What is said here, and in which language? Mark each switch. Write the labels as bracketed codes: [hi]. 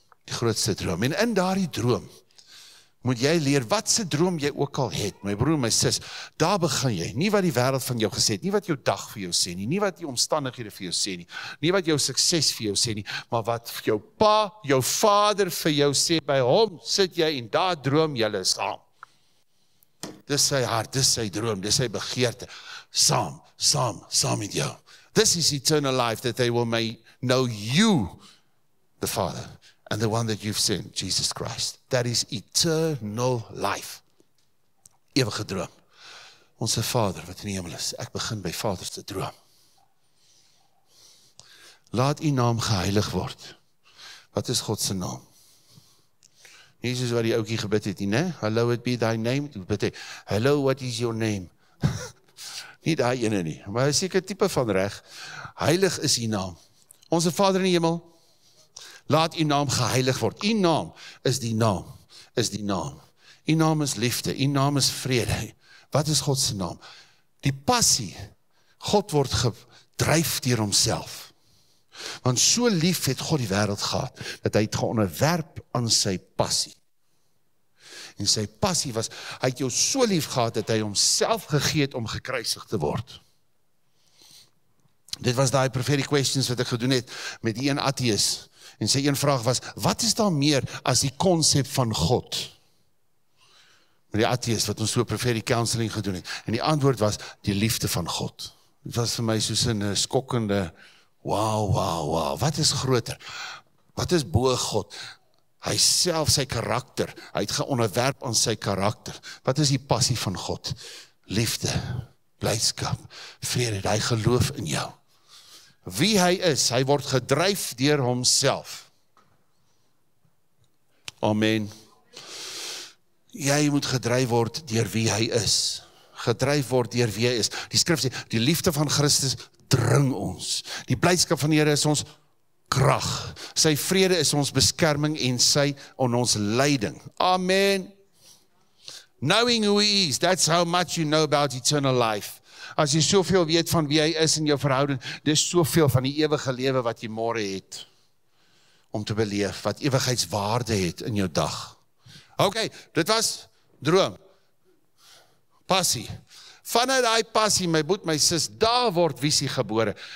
[af] Die grootste droom, en in daardie droom, moet jy leer, wat se droom jy ook al het, my broer, my sis, daar begin jy, nie wat die wêreld van jou gesê het, nie wat jou dag vir jou sê nie, nie wat die omstandighede vir jou sê nie, nie wat jou sukses vir jou sê nie, maar wat jou pa, jou vader vir jou sê, by hom sit jy en daar droom jy saam. Dis sy hart, dis sy droom, dis sy begeerte, saam, saam, saam met jou. [en] This is eternal life, that they will may know you, the Father. And the one that you've seen, Jesus Christ. That is eternal life. [af] Ewige droom. Onse Vader wat in die hemel is. Ek begin by Vaders te droom. Laat u naam geheilig word. Wat is God se naam? Jesus wat die ookie gebid het, nie? [en] Hallo, it be thy name. Hallo, what is your name? [af] Nie daai ene nie. Maar hy is seker tipe van reg. Heilig is u naam. Onse Vader in die hemel. Laat u naam geheilig word. U naam is die naam, is die naam. U naam is liefde, u naam is vrede. Wat is God se naam? Die passie, God word gedryf deur homself. Want so lief het God die wêreld gehad, dat hy het geonderwerp aan sy passie. En sy passie was, hy het jou so lief gehad, dat hy homself gegee het om gekruisig te word. Dit was die [en] preferred questions [af] wat ek gedoen het met die een atheïs. En sy een vraag was, wat is daar meer as die konsep van God? Met die atheïs wat ons so prefer die counseling gedoen het. En die antwoord was, die liefde van God. Dit was vir my soos in 'n skokkende, wow, wow, wow, wat is groter? Wat is bo God? Hy self, sy karakter, hy het geonderwerp aan sy karakter. Wat is die passie van God? Liefde, blydskap, vrede, hy geloof in jou. Wie hy is, hy word gedryf deur homself. Amen. Jy moet gedryf word deur wie hy is. Gedryf word deur wie hy is. Die skrif sê, die liefde van Christus dring ons. Die blydskap van die Here is ons krag. Sy vrede is ons beskerming en sy on ons leiding. Amen. [en] Knowing who he is, that's how much you know about eternal life. [af] As jy soveel weet van wie hy is in jou verhouding, dis soveel van die ewige lewe wat jy môre het om te beleef, wat ewigheidswaarde het in jou dag. Okay, dit was droom. Passie. Vanuit die passie, my boet, my sis, daar word visie gebore.